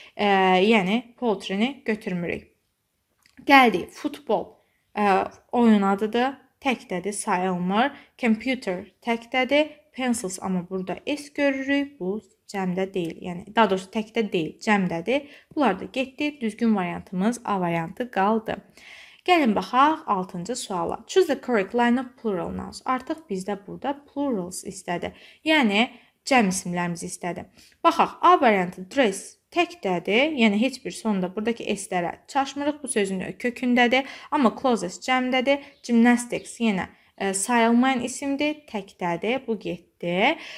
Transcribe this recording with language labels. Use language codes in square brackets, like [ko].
[az] Yəni poultry-ni götürmürük. Gəldi futbol. Oyun adıdır, təkdədir, sayılmır. Computer təkdədir, pencils amma burada S görürük, bu cəmdə deyil. Yəni, daha doğrusu təkdə deyil, cəmdədir. Bunlar da getdi, düzgün variantımız A variantı qaldı. Gəlin, baxaq 6-cı suala. [en] Choose the correct line of plural nouns. [az] Artıq bizdə burada plurals istədi. Yəni, cəm isimlərimiz istədi. Baxaq, A variantı dress. Təkdədir, yəni heç bir sonda buradakı s-lərə çaşmırıq, bu sözün kökündədir. Amma closest cəmdədir, gymnastics, yenə sayılmayan isimdir, təkdədir, bu getdi.